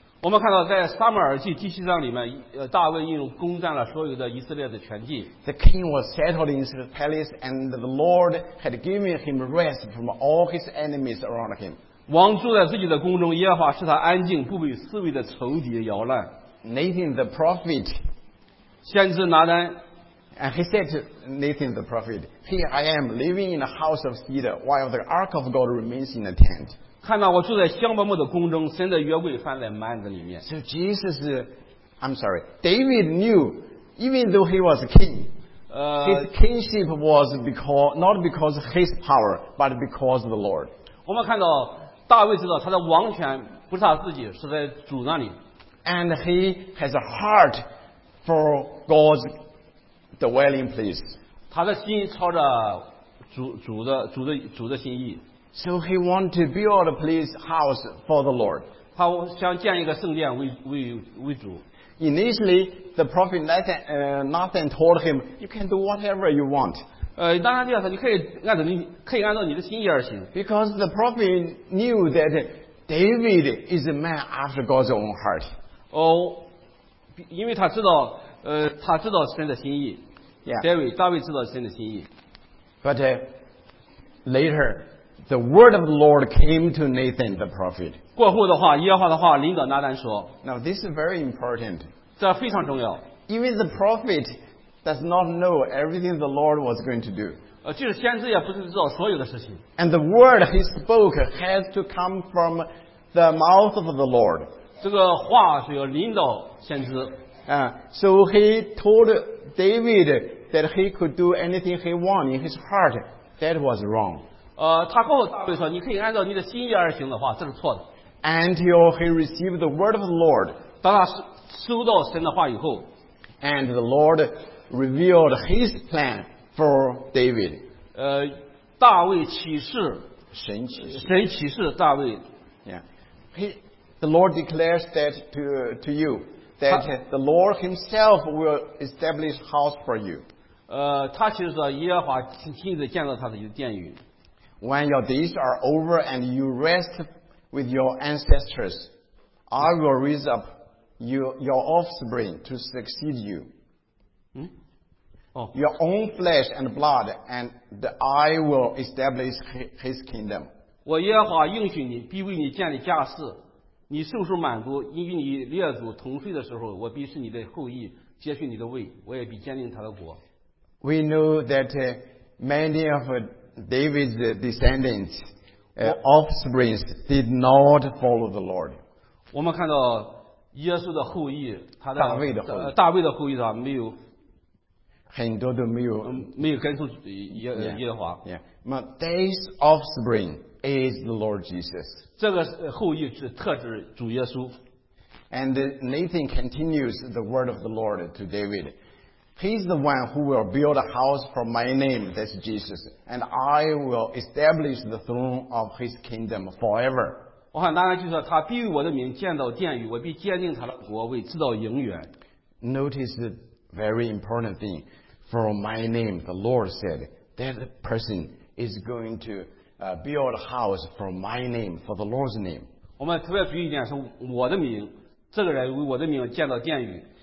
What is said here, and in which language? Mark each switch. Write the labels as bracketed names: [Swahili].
[Chinese] 我们看到在撒母耳记第七章里面，大卫又攻占了所有的以色列的全地。 [English] The king was settled in his palace, and the Lord had given him rest from all his enemies around him. [Chinese] 王住在自己的宫中，耶和华使他安静，不被四围的仇敌扰乱。 [English] Nathan the prophet, [Chinese] 先知拿单 [English] And he said to Nathan the prophet, here I am living in a house of cedar while the ark of God remains in a tent. [Chinese] 看到我住在香柏木的宫中，神的约柜放在幔子里面。 [English] So Jesus, I'm sorry, David knew, even though he was king, his kingship was because, not because of his power, but because of the Lord. [Chinese] 我们看到大卫知道他的王权不是他自己，是在主那里。 [English] And he has a heart for God's dwelling place. [Chinese] 他的心朝着主的心意。 [English] So he wanted to build a place house for the Lord. [Chinese] 他想建一个圣殿为主。 [English] Initially, the prophet Nathan told him, "You can do whatever you want." [Chinese] 当然这样说，你可以按照你的心意而行。 [English] Because the prophet knew that David is a man after God's own heart. [Chinese] 因为他知道神的心意。 [English] Yeah. [Chinese] David 知道神的心意。 [English] But later. The word of the Lord came to Nathan the prophet. [Chinese] 过后的话，耶和华的话临到拿单说。 [English] Now this is very important. [Chinese] 这非常重要。 [English] Even the prophet does not know everything the Lord was going to do. [Chinese] 就是先知也不是知道所有的事情。 [English] And the word he spoke has to come from the mouth of the Lord. [Chinese] 这个话是要临到先知。 [English] So he told David that he could do anything he wanted in his heart. That was wrong. [Chinese] 他告诉大卫说，你可以按照你的心意而行的话，这是错的。 [English] Until he received the word of the Lord. [Chinese] 当他收到神的话以后。 [English] And the Lord revealed his plan for David. [Chinese] 大卫启示。神启示大卫。 [English] Yeah. The Lord declares that to you, that the Lord himself will establish house for you. [Chinese] 他其实说耶和华亲自建造他的殿宇。 [English] When your days are over and you rest with your ancestors, I will raise up your offspring to succeed you. Your own flesh and blood, and I will establish his kingdom. [Chinese] 我耶和华应许你，必为你建立家室。你受受满足，因与你列祖同睡的时候，我必是你的后裔，接续你的位，我也必建立他的国。 [English] We know that many of David's descendants, offsprings did not follow the Lord. [Chinese] 我们看到耶稣的后裔，他的大卫的后裔啊，没有很多都没有没有跟从耶和华。 [English] Yeah, David's offspring is the Lord Jesus. [Chinese] 这个后裔是特指主耶稣。 [English] And Nathan continues the word of the Lord to David. He's the one who will build a house for my name, that's Jesus, and I will establish the throne of his kingdom forever. [Chinese] 我看当然就是他必为我的名建造殿宇，我必坚定他的国，为直到永远。 [English] Notice the very important thing. For my name, the Lord said, that person is going to build a house for my name, for the Lord's name. [Chinese] 我们特别注意一点是我的名，这个人为我的名建造殿宇。